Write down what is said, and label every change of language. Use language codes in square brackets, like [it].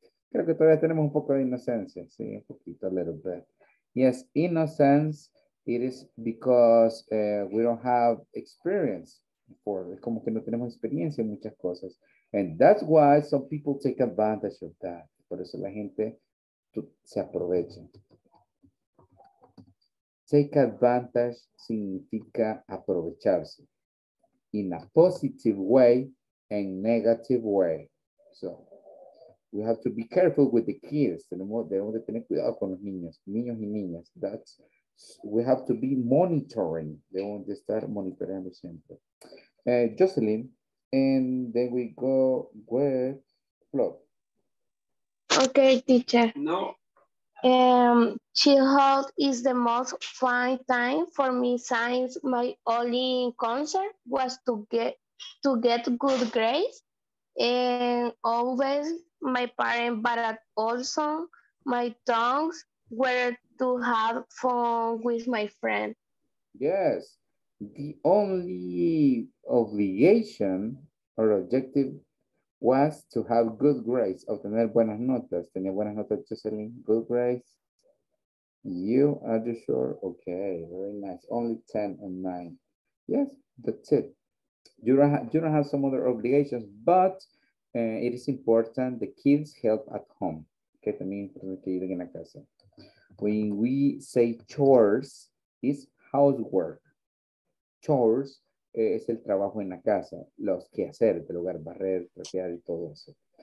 [es] Creo que todavía tenemos un poco de inocencia. Sí, un poquito, [en] a little bit. Yes, innocence, it is because we don't have experience before. [es] Es como que no tenemos experiencia en muchas cosas. [en] And that's why some people take advantage of that. [es] Por eso la gente se aprovecha. Take advantage significa aprovecharse. [en] In a positive way and negative way. So, we have to be careful with the kids. [es] Debemos de tener cuidado con los niños, niños y niñas. [en] We have to be monitoring. [es] Debemos de estar monitoreando siempre. [en] Jocelyn, and then we go with Flo. Okay, teacher. No. Childhood is the most fun time for me since my only concern was to get good grades. And always my parents, but also my tongues were to have fun with my friend. Yes. The only obligation or objective was to have good grades, [es] obtener buenas notas. Tenía buenas notas, [en] Jocelyn. Good grades. You, are you sure? Okay, very nice. Only 10 and 9. Yes, that's it. You don't have some other obligations, but it is important the kids help at home. [es] Okay, también importante que ayuden en la casa. [en] When we say chores, it's housework. [es] Chores. Es el trabajo en la casa, los quehaceres del hogar, barrer, trapear y todo eso.